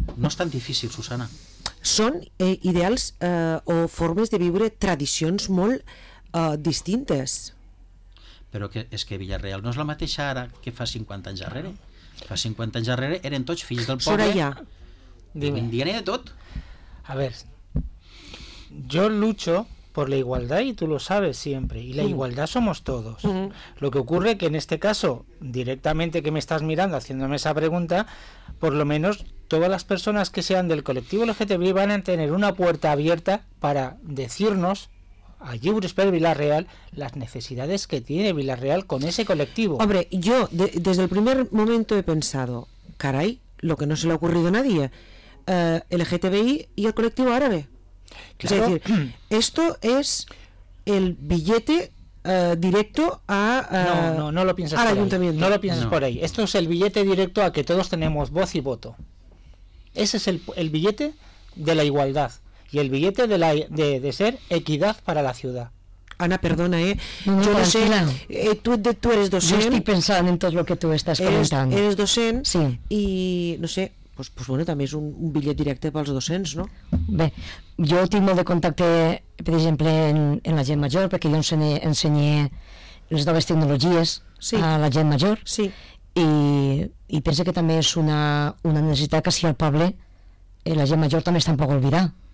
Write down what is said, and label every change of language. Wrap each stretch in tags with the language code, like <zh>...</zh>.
<ca>No és tan difícil, Susana. Són ideals o formes de viure tradicions molt distintes. Però que, és que Villarreal no és la mateixa ara que fa 50 anys darrere. Fa 50 anys darrere eren tots fills del poble. Soraya,</ca> <es>dime.</es> <ca>De tot.</ca> <es>A ver, jo lucho por la igualdad y tú lo sabes siempre, y la igualdad somos todos. Lo que ocurre que en este caso, directamente que me estás mirando haciéndome esa pregunta, por lo menos todas las personas que sean del colectivo LGTBI van a tener una puerta abierta para decirnos a Lliures per Vila-real las necesidades que tiene Vila-real con ese colectivo. Hombre, yo desde el primer momento he pensado, caray, lo que no se le ha ocurrido a nadie, LGTBI y el colectivo árabe. Claro. Es decir, esto es el billete directo a no lo piensas al ayuntamiento. No lo piensas por ahí. Esto es el billete directo a que todos tenemos voz y voto. Ese es el billete de la igualdad y el billete de la de ser equidad para la ciudad. Ana, perdona, No, yo no sé. Tú eres docente. Yo estoy pensando en todo lo que tú estás comentando. Eres docente. Sí. Y no sé.</es> <ca>Pues bueno, també és un bitllet directe pels docents, no? Bé, jo tinc molt de contacte, per exemple, en la gent major, perquè jo ensenyé les noves tecnologies a la gent major. Sí. I penso que també és una necessitat que si al poble la gent major també se'n pot oblidar.</ca>